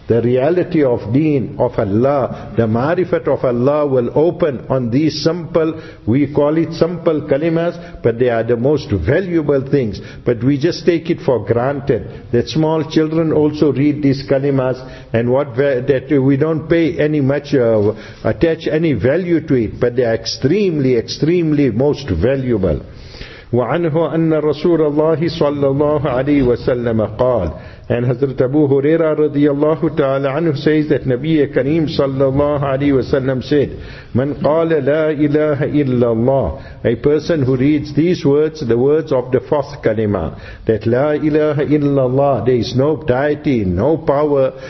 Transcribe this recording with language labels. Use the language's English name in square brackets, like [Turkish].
[English] The reality of deen, of Allah, the marifat of Allah will open on these simple, we call it simple kalimas, but they are the most valuable things. But we just take it for granted that small children also read these kalimas. And what that we don't pay any much attach any value to it, but they are extremely most valuable. [Arabic] وعنه أن رسول الله صلى الله عليه وسلم قال. [English] And Hazrat Abu Huraira radiyallahu ta'ala anhu says that Nabi Kareem sallallahu alayhi wa sallam said, [Arabic] Man qala la ilaha illallah, [English] a person who reads these words, the words of the fourth kalima, that la ilaha illallah, there is no deity, no power,